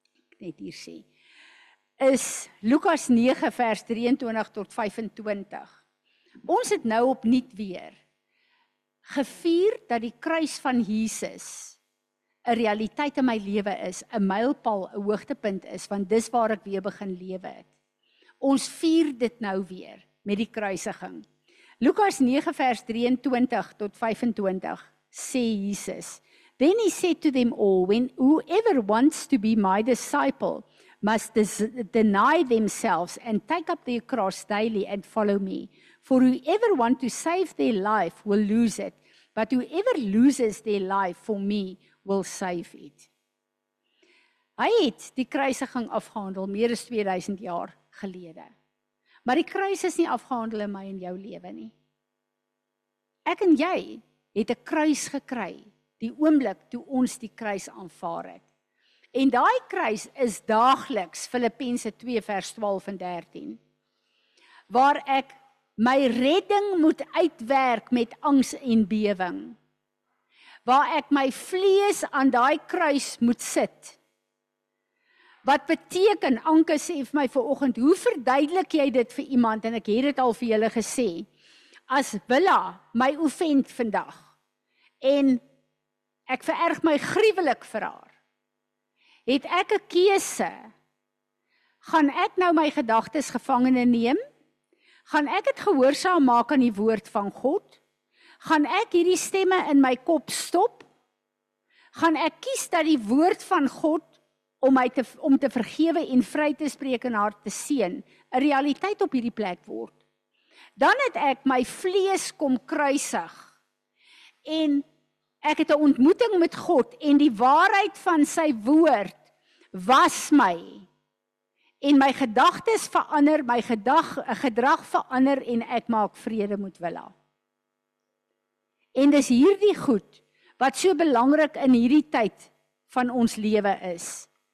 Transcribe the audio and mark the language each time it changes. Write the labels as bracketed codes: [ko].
[af] Ek net hier sê is Lukas 9 vers 23 tot 25. Ons het nou opnuut weer gevier dat die kruis van Jesus 'n realiteit in my lewe is, 'n mylpaal, 'n hoogtepunt is, want dis waar ek weer begin lewe het. Ons vier dit nou weer met die kruisiging. Lukas 9 vers 23 tot 25 sê Jesus, [en] "Then he said to them all, when whoever wants to be my disciple must deny themselves and take up their cross daily and follow me. For whoever wants to save their life will lose it, but whoever loses their life for me will save it." [af] Hy het die kruisiging afgehandel meer as 2000 jaar gelede. Maar die kruis is nie afgehandel in my en jou lewe nie. Ek en jy het 'n kruis gekry die oomblik toe ons die kruis aanvaar het. En daai kruis is daagliks Filippense 2 vers 12 en 13. Waar ek my redding moet uitwerk met angs en bewering. Waar ek my vlees aan daai kruis moet sit. Wat beteken, Anke sê vir my vanoggend, hoe verduidelik jy dit vir iemand? En ek het dit al vir julle gesê. As Willa my offend vandag en ek vererg my gruwelik vir haar, het ek 'n keuse. Gaan ek nou my gedagtes gevangene neem? Gaan ek dit gehoorsaam maak aan die woord van God? Gaan ek hierdie stemme in my kop stop? Gaan ek kies dat die woord van God om te vergewe en vry te spreek en haar te seën 'n realiteit op hierdie plek word? Dan het ek my vlees kom kruisig. En ek het 'n ontmoeting met God en die waarheid van sy woord was my. En my gedagtes verander, my gedrag verander en ek maak vrede met Willa. En dis hierdie goed wat so belangrik in hierdie tyd van ons lewe is.